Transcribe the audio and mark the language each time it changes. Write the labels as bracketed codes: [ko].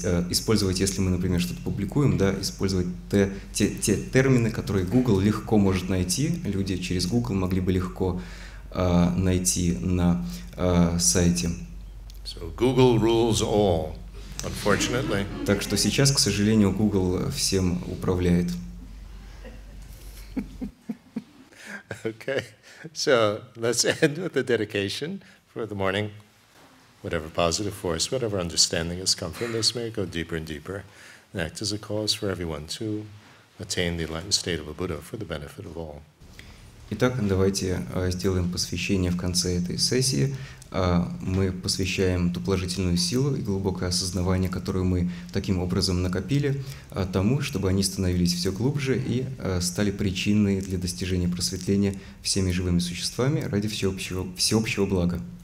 [ru] использовать, если мы, например, что-то публикуем, да, использовать те термины, которые Google легко может найти, люди через Google могли бы легко найти на сайте. [en] So Google rules all, unfortunately. [ru] Так что сейчас, к сожалению, Google всем управляет. [en] Okay, so let's end with the dedication for the morning. Whatever positive force, whatever understanding has come from this, may it go deeper and deeper and act as a cause for everyone to attain the enlightened state of a Buddha for the benefit of all. [ru] Итак, давайте сделаем посвящение в конце этой сессии. Мы посвящаем ту положительную силу и глубокое осознавание, которое мы таким образом накопили, тому, чтобы они становились все глубже и стали причиной для достижения просветления всеми живыми существами ради всеобщего блага.